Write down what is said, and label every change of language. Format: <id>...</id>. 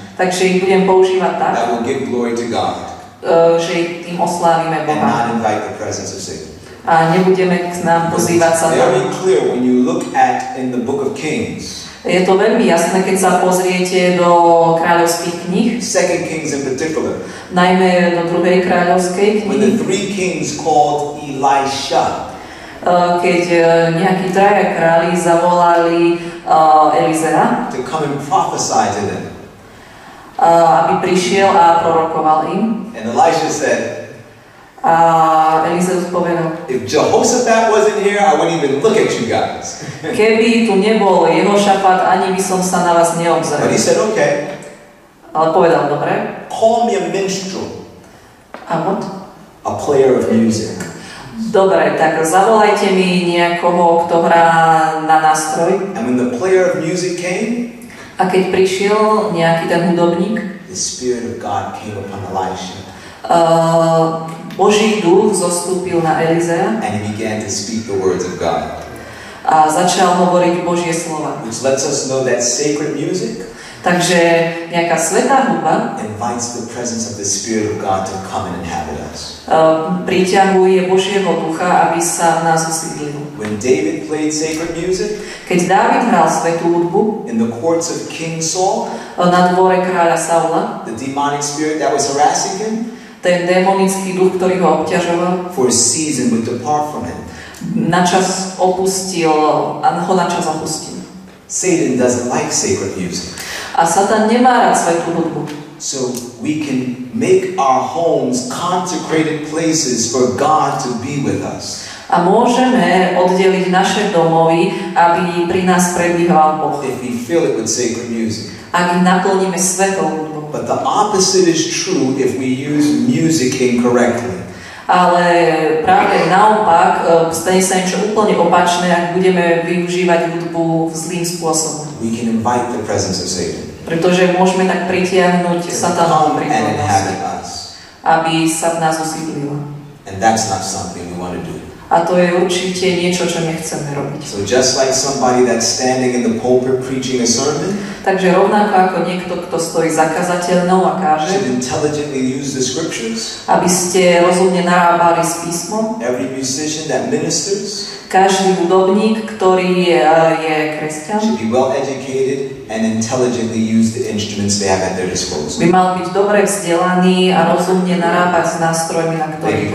<sk>takže ich budem používať tak,</sk> <en>that we'll give glory to God,</en> <sk>že tým oslávime Boha</sk> <en>and not invite the presence of Satan.</en> <sk>A nebudeme k nám pozývať sa tam.</sk> <en>Very clear when you look at in the book of Kings.</en> <sk>Je to veľmi jasné, keď sa pozriete do kráľovských kníh.</sk> <en>Second Kings in particular.</en> <sk>Najmä do druhej kráľovskej knihy.</sk> <en>When the three kings called Elisha.</en> <sk>Keď nejakí traja králi zavolali Elizea.</sk> <en>To come and prophesy to them.</en> <sk>Aby prišiel a prorokoval im.</sk> <en>And Elisha said.</en> <sk>A Elisa odpovedal.</sk> <en>If Jehoshaphat wasn't here, I wouldn't even look at you guys.</en> <sk>Keby tu nebol Jehošafat, ani by som sa na vás neobzeral.</sk> <en>But he said, okay.</en> <sk>Ale povedal, dobre.</sk> <en>Call me a minstrel. A what? A player of music.</en> <sk>Dobre, tak zavolajte mi nejakoho, kto hrá na nástroj.</sk> <en>And when the player of music came,</en> <sk>a keď prišiel nejaký ten hudobník,</sk> <en>the spirit of God came upon Elisha.</en> <sk>Boží duch zostúpil na Elizea.</sk> <en>And he began to speak the words of God.</en> <sk>A začal hovoriť Božie slova.</sk> <en>Which lets us know that sacred music,</en> <sk>Takže nejaká svätá hudba</sk> <en>invites the presence of the Spirit of God to come and inhabit us.</en> <sk>Priťahuje Božieho ducha, aby sa v nás usídlil.</sk> <en>When David played sacred music,</en> <sk>keď Dávid hral svätú hudbu,</sk> <en>in the courts of King Saul,</en> <sk>na dvore kráľa Saula,</sk> <en>the demonic spirit that was harassing him,</en> <sk>ten demonický duch, ktorý ho obťažoval,</sk> <en>for a season would depart from him.</en> <sk>Načas opustil, ho načas opustil.</sk> <en>Satan doesn't like sacred music.</en> <sk>A Satan nemá rád svetú hudbu.</sk> <en>So we can make our homes consecrated places for God to be with us.</en> <sk>A môžeme oddeliť naše domovy, aby pri nás prebýval Boh.</sk> <en>If we fill it with sacred music.</en> <sk>Ak naplníme svetou hudbu.</sk> <en>But the opposite is true if we use music incorrectly.</en> <sk>Ale práve naopak, stane sa niečo úplne opačné, ak budeme využívať hudbu zlým spôsobom.</sk> <en>We can invite the presence of Satan.</en> <sk>Pretože môžeme tak pritiahnuť Satanovu prítomnosť, aby sa v nás usídlila.</sk> <en>And that's not something we want to do.</en> <sk>A to je určite niečo, čo nechceme robiť.</sk> <en>So just like somebody that's standing in the pulpit preaching a sermon,</en> <sk>takže rovnako ako niekto, kto stojí za kazateľnou a káže,</sk> <en>should intelligently use the scriptures,</en> <sk>aby ste rozumne narábali s písmom,</sk> <en>every musician that ministers,</en> <sk>každý hudobník, ktorý je kresťan,</sk> <en>should be well educated and intelligently use the instruments they have at their disposal.</en> <sk>By mal byť dobre vzdelaný a rozumne narábať s nástrojmi, na ktorých</sk>